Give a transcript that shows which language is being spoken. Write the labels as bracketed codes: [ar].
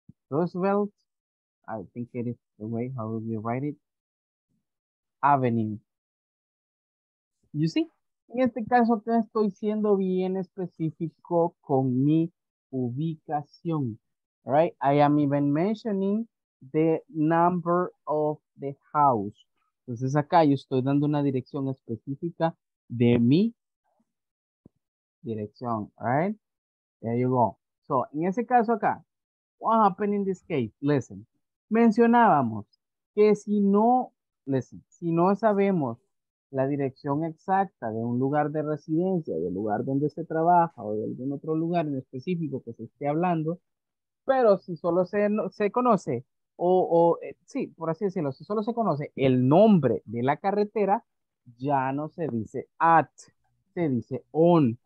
[en] Roosevelt, I think it is the way how we write it. Avenue. You see? [es] En este caso, te estoy siendo bien específico con mi ubicación. [en] Right? I am even mentioning the number of the house. [es] Entonces, acá yo estoy dando una dirección específica de mi dirección. [en] Right? There you go. So, [es] en ese caso acá, [en] what happened in this case? Listen. [es] Mencionábamos que si no, listen, si no sabemos la dirección exacta de un lugar de residencia, del lugar donde se trabaja o de algún otro lugar en específico que se esté hablando, pero si solo se conoce, sí, por así decirlo, si solo se conoce el nombre de la carretera, ya no se dice at, se dice on.